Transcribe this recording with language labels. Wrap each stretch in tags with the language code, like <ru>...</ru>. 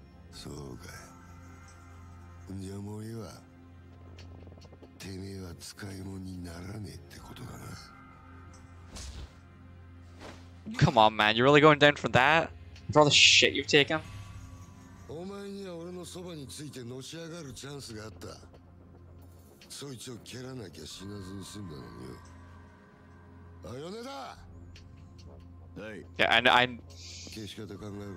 <ja>そうかじゃあもういいわてめえは使い物にならねえってことだな</ja> <en>Come on man, you're really going down for that? For all the shit you've taken?</en> <ja>お前には俺のそばについてのし上がるチャンスがあったそいつを蹴らなきゃ死なずに済んだのによあ、米田はい、</ja> <en>yeah, I'm...</en> <ja>消し方考えろ</ja>